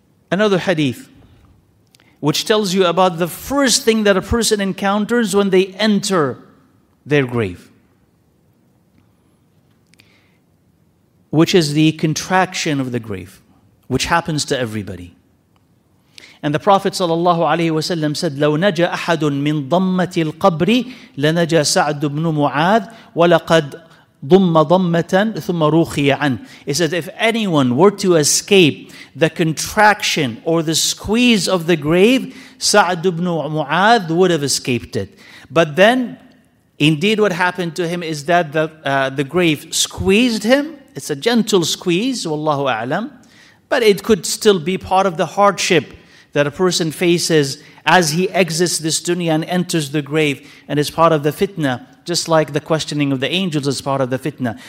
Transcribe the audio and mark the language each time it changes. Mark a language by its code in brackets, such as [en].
[en] Another hadith, which tells you about the first thing that a person encounters when they enter their grave, which is the contraction of the grave, which happens to everybody. [ar] And the Prophet sallallahu alaihi wasallam said, "لو نجا أحد من ضمة القبر لنجا سعد بن معاذ ولقد ضم ضمة ثم روخي عنه." [en] He said, if anyone were to escape the contraction or the squeeze of the grave, Sa'd ibn Mu'adh would have escaped it. But then, indeed what happened to him is that the grave squeezed him. It's a gentle squeeze, wallahu a'lam. But it could still be part of the hardship that a person faces as he exits this dunya and enters the grave, and is part of the fitna, just like the questioning of the angels is part of the fitna.